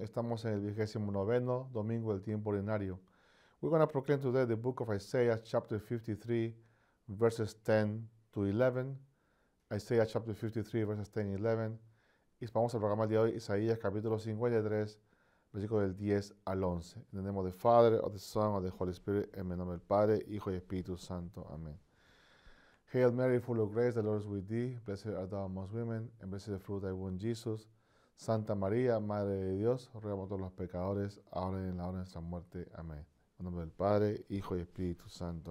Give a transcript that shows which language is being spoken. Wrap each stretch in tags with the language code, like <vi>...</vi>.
<es>Estamos en el 29th Domingo del Tiempo Ordinario.</es> <en>We're going to proclaim today the book of Isaiah, chapter 53, verses 10 to 11. Isaiah, chapter 53, verses 10 and 11.</en> <es>Y vamos al programa de hoy, Isaías, capítulo 53, versículo del 10 al 11.</es> <en>In the name of the Father, of the Son, of the Holy Spirit,</en> <es>en el nombre del Padre, Hijo y Espíritu Santo. Amén.</es> <en>Hail Mary, full of grace, the Lord is with thee. Blessed art thou among women, and blessed is the fruit of thy womb, Jesus.</en> <es>Santa María, Madre de Dios, ruega por todos los pecadores, ahora y en la hora de nuestra muerte. Amén. En el nombre del Padre, Hijo y Espíritu Santo.</es>